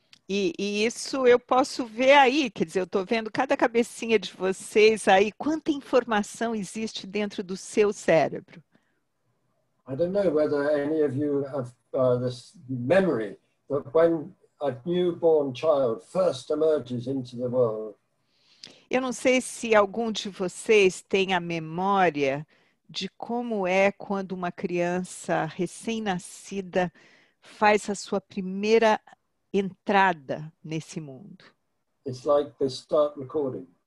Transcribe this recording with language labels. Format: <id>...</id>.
<pt>E isso eu posso ver aí, quer dizer, eu estou vendo cada cabecinha de vocês aí, quanta informação existe dentro do seu cérebro.</pt> <en>I don't know whether any of you have this memory that when a newborn child first emerges into the world.</en> <pt>Eu não sei se algum de vocês tem a memória de como é quando uma criança recém-nascida faz a sua primeira entrada nesse mundo.</pt> <en>It's like they start recording.</en>